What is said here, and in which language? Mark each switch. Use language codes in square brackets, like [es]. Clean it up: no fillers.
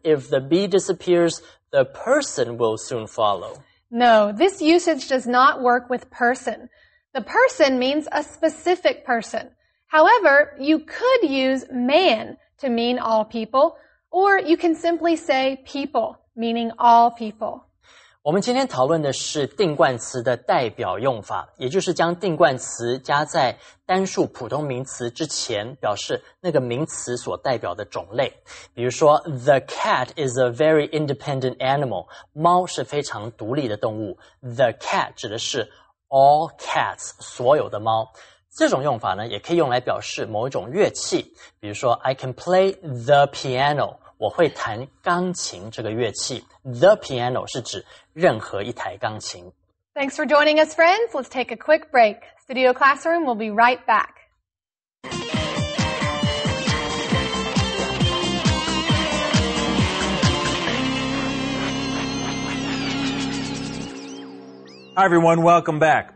[en] If the bee disappears, the person will soon follow. No, this usage does not work with person. The person means a specific person. However, you could use man to mean all people, or you can simply say people, meaning all people. [zh] 我们今天讨论的是定冠词的代表用法，也就是将定冠词加在单数普通名词之前，表示那个名词所代表的种类。比如说 , [en] the cat is a very independent animal, [zh] 猫是非常独立的动物。 The cat 指的是 [en] all cats, [zh] 所有的猫。这种用法呢也可以用来表示某一种乐器，比如说 , [en] I can play the piano, [zh] 我会弹钢琴这个乐器。 The piano 是指任何一台钢琴。 [en] Thanks for joining us, friends. Let's take a quick break. Studio Classroom will be right back. Hi, everyone. Welcome back.